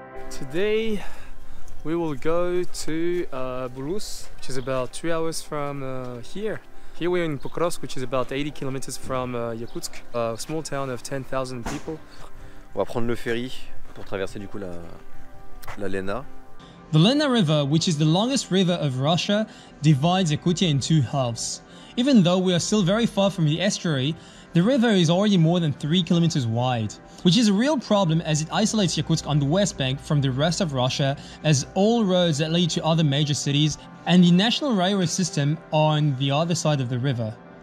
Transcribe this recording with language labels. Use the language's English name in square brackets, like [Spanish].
[English] Today, we will go to Burus, which is about 3 hours from here. Here we are in Pokrovsk, which is about 80 kilometers from Yakutsk, a small town of 10,000 people. [French] On va prendre le ferry pour traverser du coup la Lena. [English] The Lena River, which is the longest river of Russia, divides Yakutia in two halves. Even though we are still very far from the estuary, the river is already more than 3 kilometers wide, which is a real problem as it isolates Yakutsk on the west bank from the rest of Russia, as all roads that lead to other major cities and the national railway system are on the other side of the river.